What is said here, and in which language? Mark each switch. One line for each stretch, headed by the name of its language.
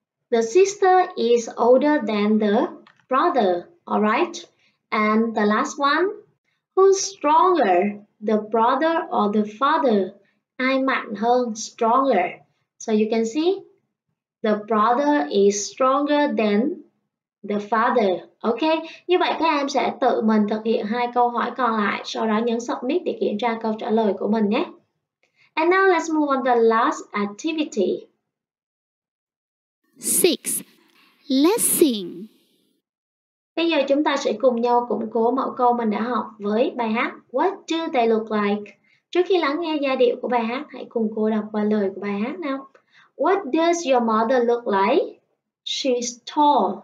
English: The sister is older than the brother, alright? And the last one, who's stronger, the brother or the father?
Vietnamese: Ai mạnh hơn,
English: stronger. So you can see, the brother is stronger than the father.
Vietnamese: Ok, như vậy các em sẽ tự mình thực hiện hai câu hỏi còn lại, sau đó nhấn submit để kiểm tra câu trả lời của mình nhé.
English: And now let's move on to the last activity. 6. Lesson.
Vietnamese: Bây giờ chúng ta sẽ cùng nhau củng cố mẫu câu mình đã học với bài hát What do they look like? Trước khi lắng nghe giai điệu của bài hát, hãy cùng cô đọc qua lời của bài hát nào.
English: What does your mother look like? She's tall.